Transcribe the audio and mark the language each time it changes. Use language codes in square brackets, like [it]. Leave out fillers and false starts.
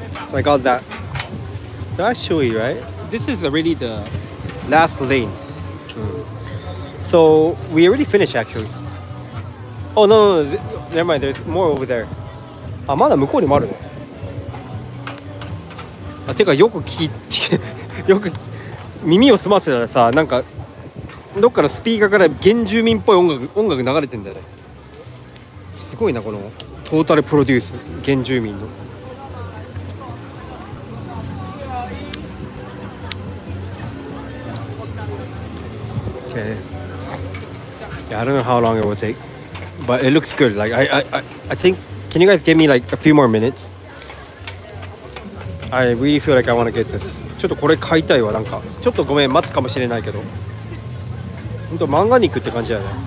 [en] So I got that. That's chewy, right? This is already the last lane. So we already finished actually. Oh no, never mind, there's more over there. [ja] あ、まだ向こうにもある。あ、てかよく聞き、よく耳を澄ませたらさ、なんかどっかのスピーカーから原住民っぽい音楽流れてんだよね。すごいな、このトータルプロデュース、原住民の。 [en] Okay. I don't know how long it will take, but it looks good. Like I think, can you guys give me like a few more minutes? I really feel like I want to get this. [ja] ちょっとこれ買いたいわ、なんか。ちょっとごめん、待つかもしれないけど。本当、漫画肉って感じだよね。